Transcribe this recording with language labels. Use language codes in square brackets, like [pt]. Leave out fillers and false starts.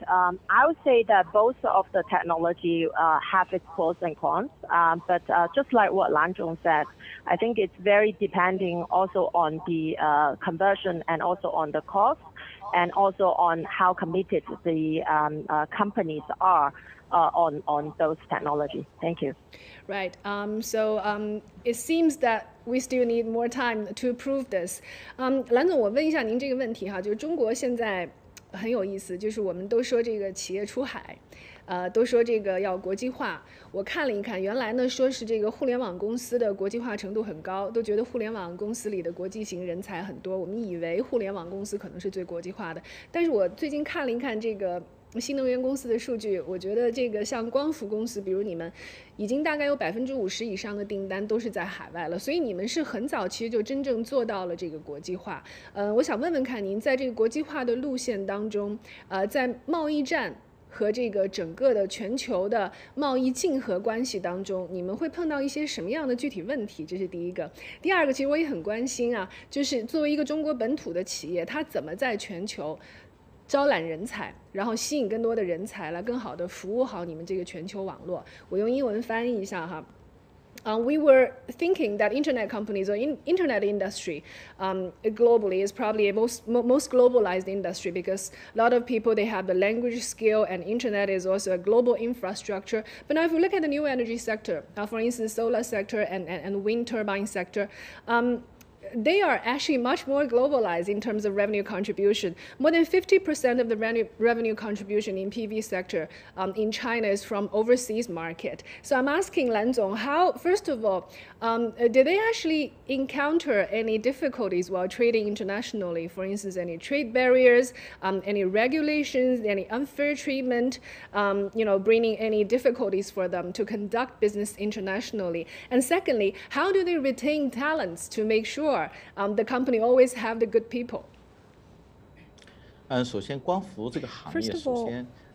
[en] I would say that both of the technology have its pros and cons, but just like what Lan Zhong said, I think it's very depending also on the conversion and also on the cost and also on how committed the companies are on those technologies. Thank you. Right. So it seems that we still need more time to prove this. [zh] 蓝总，我问一下您这个问题哈，就是中国现在很有意思，就是我们都说这个企业出海，都说这个要国际化。我看了一看，原来呢说是这个互联网公司的国际化程度很高，都觉得互联网公司里的国际型人才很多。我们以为互联网公司可能是最国际化的，但是我最近看了一看这个新能源公司的数据，我觉得这个像光伏公司，比如你们已经大概有50%以上的订单都是在海外了，所以你们是很早其实就真正做到了这个国际化。我想问问看您在这个国际化的路线当中，在贸易战和这个整个的全球的贸易竞合关系当中，你们会碰到一些什么样的具体问题？这是第一个。第二个，其实我也很关心啊，就是作为一个中国本土的企业，它怎么在全球招揽人才，然后吸引更多的人才来更好的服务好你们这个全球网络。我用英文翻译一下哈。 [en] We were thinking that internet companies or internet industry globally is probably a most globalized industry because a lot of people, they have the language skill and internet is also a global infrastructure. But now if we look at the new energy sector, for instance, solar sector and wind turbine sector, they are actually much more globalized in terms of revenue contribution. More than 50% of the revenue contribution in PV sector in China is from overseas market. So I'm asking Lan Zong, how, first of all, did they actually encounter any difficulties while trading internationally? For instance, any trade barriers, any regulations, any unfair treatment, bringing any difficulties for them to conduct business internationally? And secondly, how do they retain talents to make sure the company always have the good people? [zh] 首先光伏这个行业，首先